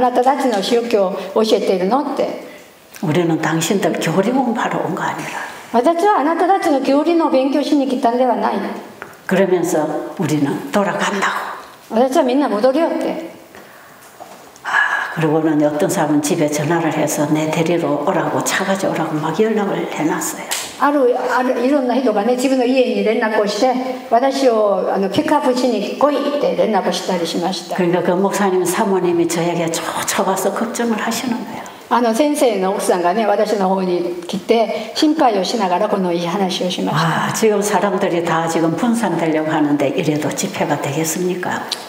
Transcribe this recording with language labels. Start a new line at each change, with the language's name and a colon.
Japanese: 私たちはここねちゃんとお金払って健康を学ぶためにここに来ているのに、どうしてあんたの牧師はそんな予言なんかあなたたちの宗教を教えているのって。
Korean: 우리는 당신들 교리만 바로 온 거 아니라.
Japanese: 私はあなたたちの教理の勉強しに来たんではない。
Korean: 그러면서 우리는 돌아간다고.
Japanese: 私はみんな戻るよって。
Korean: 그리고는 어떤 사람은 집에 전화를 해서 내 데리러 오라고 차 가져오라고 막 연락을 해놨어요.
Japanese: 이런나人がね自分の家に連絡をして私をピックアップしに来いって連絡したりしました。
Korean: 그러니까 그 목사님 사모님이 저에게 쫓아와서 걱정을 하시는 거예요.
Japanese: 先生の奥さんがね私の方に来て心配をしながらこの話をしました。
Korean: 아, 지금 사람들이 다 지금 분산되려고 하는데 이래도 집회가 되겠습니까?